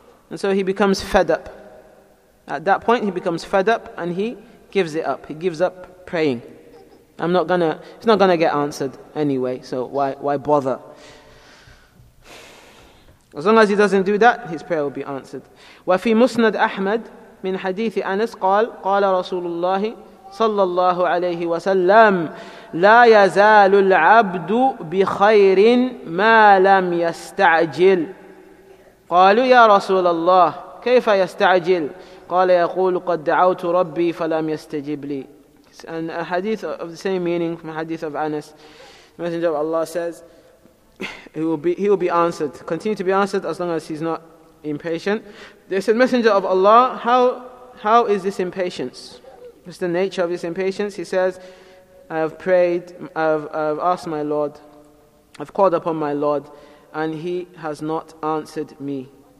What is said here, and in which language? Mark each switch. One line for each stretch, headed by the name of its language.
English: And so he becomes fed up. At that point, he becomes fed up and he gives it up. He gives up praying. It's not gonna get answered anyway, so why bother? As long as he doesn't do that, his prayer will be answered.
Arabic: وفي مسند أحمد من حديث أنس قال رسول الله صلى الله عليه وسلم لا يزال العبد بخير ما لم يستعجل. قالوا يا رسول الله كيف يستعجل؟ قال يقول قد دعوت ربي فلم يستجب لي.
English: And a hadith of the same meaning from a hadith of Anas, the Messenger of Allah says, he will be answered. Continue to be answered as long as he's not impatient. They said, Messenger of Allah, how is this impatience? What's the nature of this impatience? He says, I have prayed, I have asked my Lord, I've called upon my Lord, and he has not answered me.